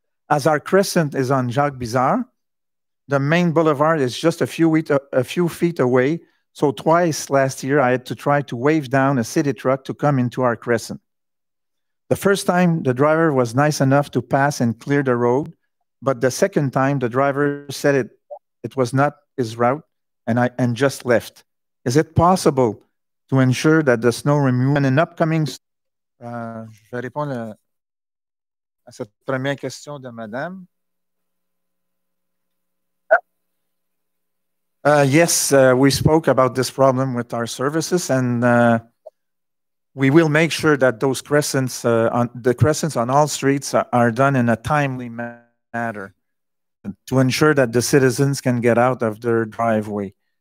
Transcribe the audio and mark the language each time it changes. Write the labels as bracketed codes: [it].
[en] As our crescent is on Jacques Bizarre, the main boulevard is just a few feet away, so twice last year I had to try to wave down a city truck to come into our crescent. The first time, the driver was nice enough to pass and clear the road, but the second time, the driver said it was not his route and just left. Is it possible to ensure that the snow removal in an upcoming... [fr] Je vais répondre à cette première question de madame. [en] Yes, we spoke about this problem with our services, and we will make sure that those crescents, the crescents on all streets are done in a timely manner to ensure that the citizens can get out of their driveway.